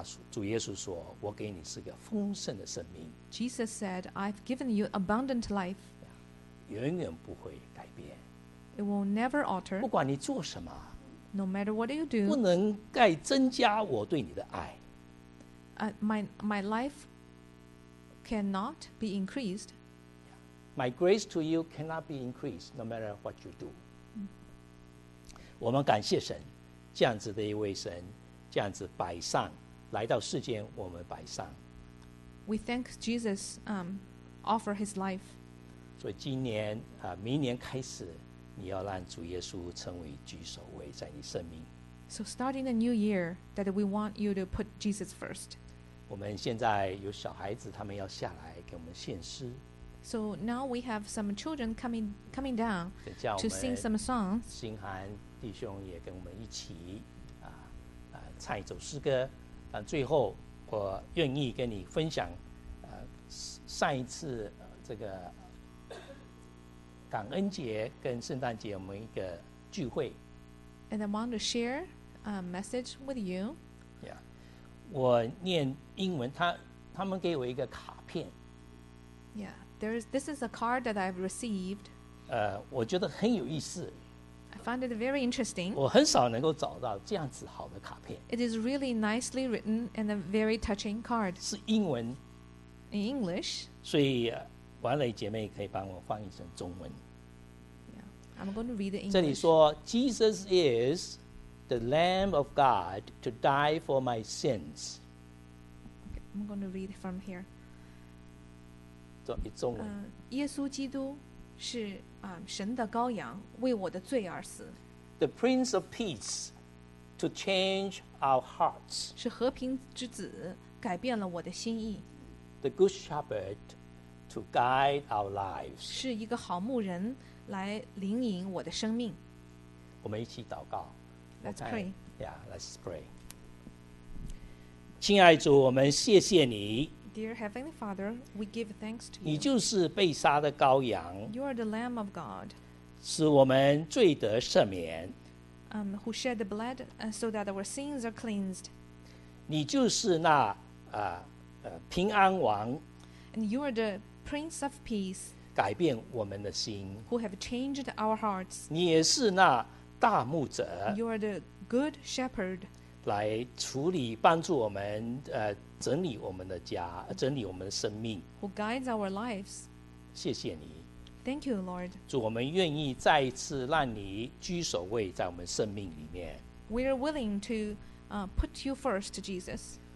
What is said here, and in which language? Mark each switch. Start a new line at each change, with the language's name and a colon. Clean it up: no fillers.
Chinese: 主耶稣说我给你是个丰盛的生命
English: Jesus said I've given you abundant life
Chinese: 永远不会改变
English: It will never alter
Chinese: 不管你做什么
English: No matter what you do
Chinese: 不能再增加我对你的爱
English: My life cannot be increased My grace to you cannot be increased No matter what you do
Chinese: 我们感谢神这样子的一位神这样子摆上来到世间，我们摆上。
English: We thank Jesus, offer his life.
Chinese: 所以今年啊，明年开始，你要让主耶稣成为居首位在你生命。
English: So starting the new year, that we want you to put Jesus first.
Chinese: 我们现在有小孩子，他们要下来给我们献诗。
English: So now we have some children coming down to sing some songs.
Chinese: 新寒弟兄也跟我们一起唱一首诗歌。最后我愿意跟你分享上一次这个感恩节跟圣诞节我们一个聚会。
English: And I want to share a message with you. Yeah.
Chinese: 我念英文，他们给我一个卡片。
English: Yeah. This is a card that I've received.
Chinese: 我觉得很有意思。
English: I find it very interesting.
Chinese: 我很少能够找到这样子好的卡片。
English: It is really nicely written and a very touching card.
Chinese: 是英文。
English: In English.
Chinese: 所以婉蕾姐妹可以帮我翻译成中文。
English: Yeah, I'm going to read it in English.
Chinese: 这里说
English: ,Jesus is the Lamb of God to die for my sins. Okay, I'm going to read it from here.
Chinese: 中文。耶稣基督是神的羔羊，为我的罪而死。
English: The Prince of Peace to change our hearts.
Chinese: 是和平之子，改变了我的心意。
English: The Good Shepherd to guide our lives.
Chinese: 是一个好牧人来领引我的生命。我们一起祷告。
English: Let's pray. Yeah, let's pray.
Chinese: 亲爱主，我们谢谢你。
English: Dear Heavenly Father, we give thanks to you.
Chinese: 你就是被杀的羔羊。
English: You are the Lamb of God.
Chinese: 使我们罪得赦免。
English: Who shed the blood so that our sins are cleansed.
Chinese: 你就是那平安王。
English: And you are the Prince of Peace.
Chinese: 改变我们的心。
English: Who have changed our hearts.
Chinese: 你也是那大牧者。
English: You are the Good Shepherd.
Chinese: 来处理帮助我们整理我们的家，整理我们的生命。
English: Who guides our lives.
Chinese: 谢谢你。
English: Thank you, Lord.
Chinese: 主，我们愿意再一次让你居首位在我们生命里面。
English: We are willing to put you first, Jesus.